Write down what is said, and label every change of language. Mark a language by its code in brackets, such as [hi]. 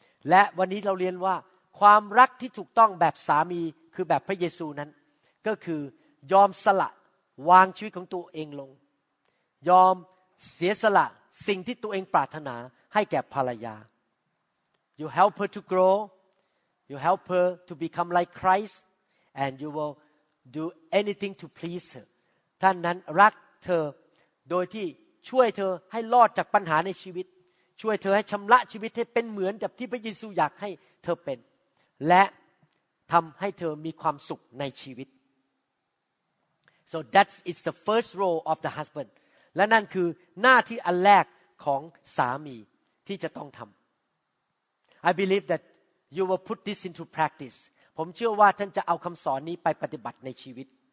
[th] และวันนี้เราเรียนว่าความรักที่ถูกต้องแบบสามีคือแบบพระเยซูนั้นก็คือยอมสละวางชีวิตของตัวเองลงยอมเสียสละสิ่งที่ตัวเองปรารถนาให้แก่ภรรยา [en] You help her to grow. You help her to become like Christ. And you will do anything to please her. [th] ท่านนั้นรักเธอโดยที่ช่วยเธอให้รอดจากปัญหาในชีวิตช่วยเธอให้ชำระชีวิตให้เป็นเหมือนกับที่พระเยซูอยากให้เธอเป็นและทำให้เธอมีความสุขในชีวิต [en] So that is the first role of the husband [th] และนั่นคือหน้าที่อันแรกของสามีที่จะต้องทำ [en] I believe that you will put this into practice [th] ผมเชื่อว่าท่านจะเอาคำสอนนี้ไปปฏิบัติในชีวิต